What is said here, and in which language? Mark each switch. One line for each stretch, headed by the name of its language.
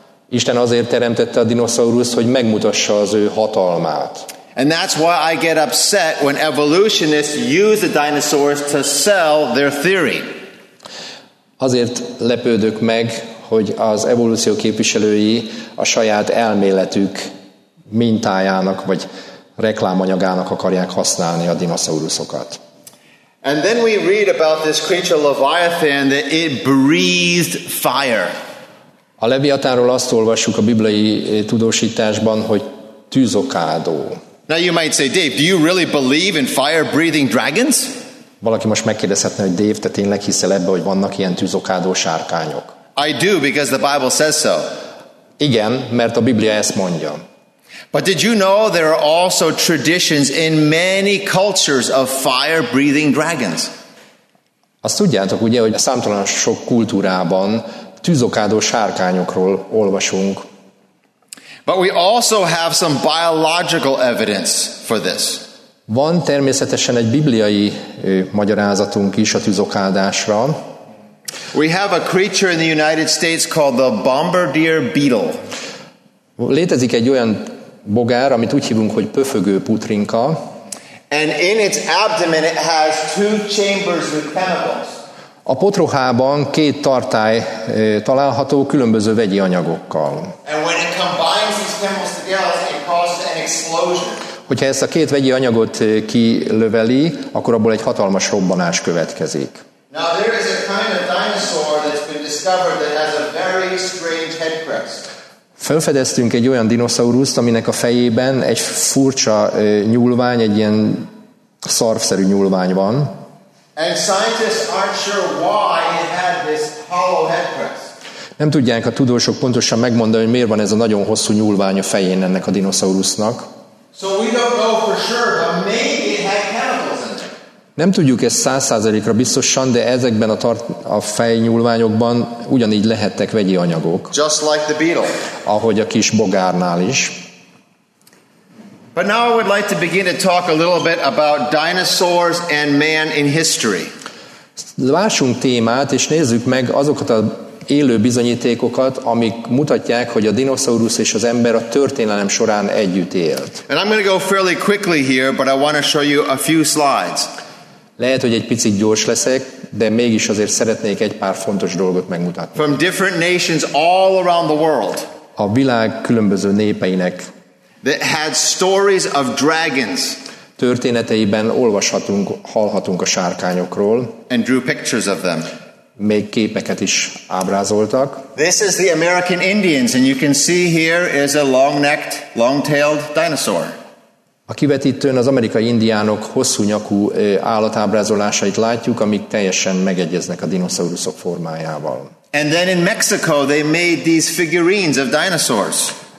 Hungarian: Isten azért teremtette a dinoszauruszt, hogy megmutassa az ő hatalmát.
English: And that's why I get upset when evolutionists use the dinosaurs to sell their theory.
Hungarian: Azért lepődök meg, hogy az evolúció képviselői a saját elméletük mintájának vagy reklámanyagának akarják használni a dinoszauruszokat.
English: And then we read about this creature Leviathan that it breathed fire.
Hungarian: A Leviatánról azt olvassuk a bibliai tudósításban, hogy tűzokádó.
English: Now you might say, Dave, do you really believe in fire-breathing dragons?
Hungarian: Valaki most megkérdezhetne, hogy Dave, te tényleg hiszel ebbe, hogy vannak ilyen tűzokádó sárkányok?
English: I do, because the Bible says so.
Hungarian: Igen, mert a Biblia ezt mondja.
English: But did you know there are also traditions in many cultures of fire-breathing dragons?
Hungarian: Azt tudjátok, ugye, hogy számtalan sok kultúrában tűzokádó sárkányokról olvasunk.
English: But we also have some biological evidence for this.
Hungarian: Van természetesen egy bibliai magyarázatunk is a tűzokádásra.
English: We have a creature in the United States called the bombardier beetle.
Hungarian: Létezik egy olyan bogár, amit úgy hívunk, hogy pöfögő putrinka.
English: And in its abdomen it has two chambers with chemicals.
Hungarian: A potrohában két tartály található különböző vegyi anyagokkal.
English: And when it combines these chemicals together, it causes an explosion.
Hungarian: Hogyha ezt a két vegyi anyagot kilöveli, akkor abból egy hatalmas robbanás következik.
English: Now there is a kind of dinosaur that's been discovered that has a very strange head crest.
Hungarian: Felfedeztünk egy olyan dinoszauruszt, aminek a fejében egy furcsa nyúlvány, egy ilyen szarvszerű nyúlvány van.
English: And scientists aren't sure why it had this hollow head crest.
Hungarian: Nem tudják a tudósok pontosan megmondani, hogy miért van ez a nagyon hosszú nyúlvány a fején ennek a dinoszaurusznak.
English: So we don't know for sure, but maybe it had chemicals in it.
Hungarian: Nem tudjuk ezt 100%-ra biztosan, de ezekben a fejnyúlványokban ugyanígy lehettek vegyi anyagok.
English: Just like the beetle.
Hungarian: Ahogy a kis bogárnál is.
English: But now I would like to begin to talk a little bit about dinosaurs and man in history.
Hungarian: Lássunk témát, és nézzük meg azokat az élő bizonyítékokat, amik mutatják, hogy a dinoszaurusz és az ember a történelem során együtt élt.
English: And I'm going to go fairly quickly here, but I want to show you a few slides.
Hungarian: Lehet, hogy egy picit gyors leszek, de mégis azért szeretnék egy pár fontos dolgot megmutatni.
English: From different nations all around the world.
Hungarian: A világ különböző népeinek.
English: That had stories of dragons.
Hungarian: Történeteiben olvashatunk, hallhatunk a sárkányokról.
English: And drew pictures of them.
Hungarian: Még képeket is ábrázoltak.
English: This is the American Indians, and you can see here is a long-necked, long-tailed dinosaur.
Hungarian: A kivetítőn az amerikai indiánok hosszú nyakú állatábrázolásait látjuk, amik teljesen megegyeznek a dinoszauruszok formájával.
English: And then in Mexico they made these figurines of dinosaurs.